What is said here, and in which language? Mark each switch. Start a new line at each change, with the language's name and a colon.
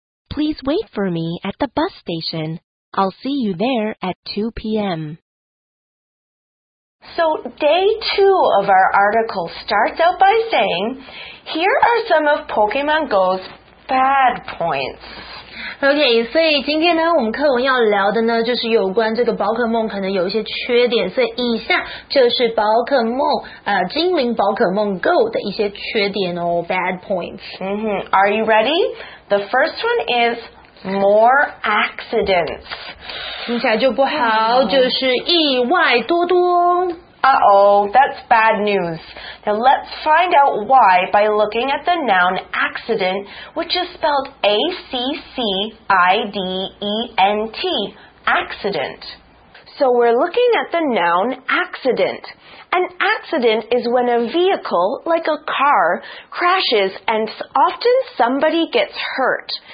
English: Please wait for me at the bus station. I'll see you there at 2 p.m. So, day two of our article starts out by saying, here are some of Pokemon Go's bad points.
Chinese: OK, 所以今天呢我们课文要聊的呢就是有关这个宝可梦可能有一些缺点，所以以下就是宝可梦精灵宝可梦 Go 的一些缺点哦
English: bad points、 mm-hmm. Are you ready? The first one is more accidents.
Chinese: 听起来就不好、oh. 就是意外多多。
English: Uh-oh, that's bad news. Now let's find out why by looking at the noun accident, which is spelled A-C-C-I-D-E-N-T, accident. So we're looking at the noun accident. An accident is when a vehicle, like a car, crashes and often somebody gets hurt.